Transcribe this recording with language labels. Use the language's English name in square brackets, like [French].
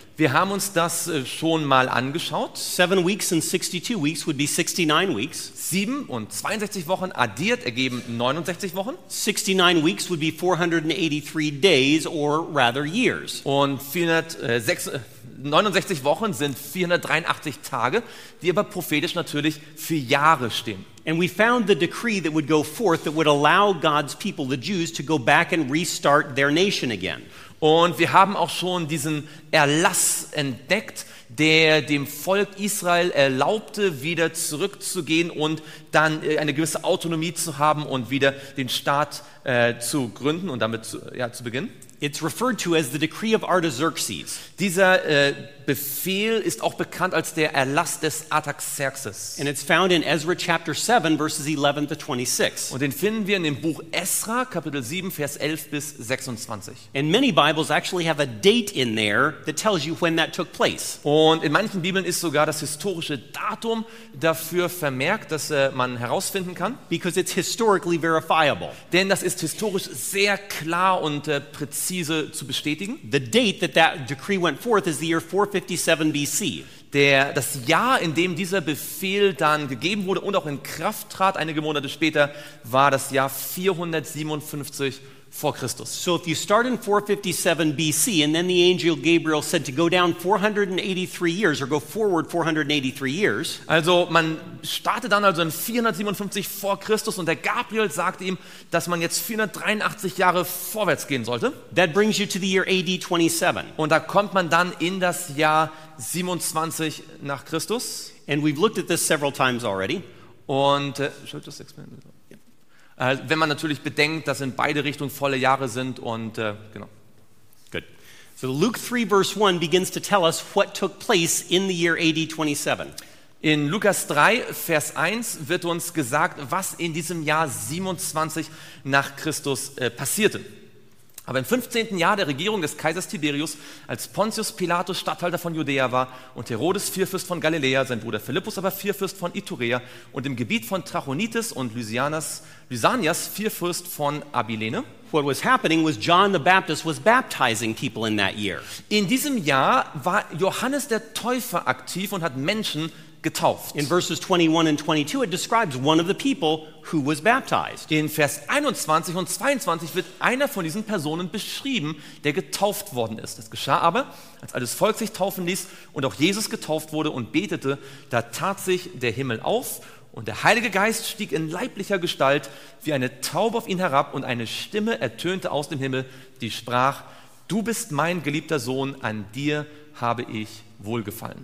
[German] Wir haben uns das schon mal angeschaut. [English] 7 weeks and 62 weeks would be 69 weeks. [German] 7 und 62 Wochen addiert ergeben 69 Wochen. [English] 69 weeks would be 483 days or rather years. [German] Und 69 Wochen sind 483 Tage, die aber prophetisch natürlich für Jahre stehen. [English] And we found the decree that would go forth that would allow God's people, the Jews, to go back and restart their nation again. [German] Und wir haben auch schon diesen Erlass entdeckt, der dem Volk Israel erlaubte, wieder zurückzugehen und dann eine gewisse Autonomie zu haben und wieder den Staat zu gründen und damit zu beginnen. [English] It's referred to as the decree of Artaxerxes. [German] Dieser Befehl ist auch bekannt als der Erlass des Artaxerxes. [English] And it's found in Ezra chapter 7 verses 11 to 26. [German] Und den finden wir in dem Buch Ezra Kapitel 7 Vers 11 bis 26. [English] And many Bibles actually have a date in there that tells you when that took place. [German] Und in manchen Bibeln ist sogar das historische Datum dafür vermerkt, dass man herausfinden kann, [English] because it's historically verifiable. [German] Denn das ist historisch sehr klar und präzise zu bestätigen. [English] The date that that decree went forth is the year 457 BC. [German] Das Jahr, in dem dieser Befehl dann gegeben wurde und auch in Kraft trat, einige Monate später, war das Jahr 457 vor Christus. [English] So if you start in 457 BC and then the angel Gabriel said to go down 483 years or go forward 483 years. [German] Also man startet dann also in 457 vor Christus und der Gabriel sagt ihm, dass man jetzt 483 Jahre vorwärts gehen sollte. [English] That brings you to the year AD 27. [German] Und da kommt man dann in das Jahr 27 nach Christus. [English] And we've looked at this several times already. Und should I just explain it? [German] Wenn man natürlich bedenkt, dass in beide Richtungen volle Jahre sind und genau. [English] Good. So Luke 3 verse 1 begins to tell us what took place in the year AD 27. [German] In Lukas 3 Vers 1 wird uns gesagt, was in diesem Jahr 27 nach Christus passierte. Aber im 15. Jahr der Regierung des Kaisers Tiberius, als Pontius Pilatus Statthalter von Judäa war und Herodes Vierfürst von Galiläa, sein Bruder Philippus aber Vierfürst von Iturea und im Gebiet von Trachonitis und Lysanias Vierfürst von Abilene. [English] What was happening was John the Baptist was baptizing people in that year. [German] In diesem Jahr war Johannes der Täufer aktiv und hat Menschen getauft. [English] In verses 21 and 22 it describes one of the people who was baptized. [German] In Vers 21 und 22 wird einer von diesen Personen beschrieben, der getauft worden ist. Das geschah aber, als alles Volk sich taufen ließ und auch Jesus getauft wurde und betete, da tat sich der Himmel auf und der Heilige Geist stieg in leiblicher Gestalt wie eine Taube auf ihn herab und eine Stimme ertönte aus dem Himmel, die sprach: Du bist mein geliebter Sohn, an dir habe ich wohlgefallen.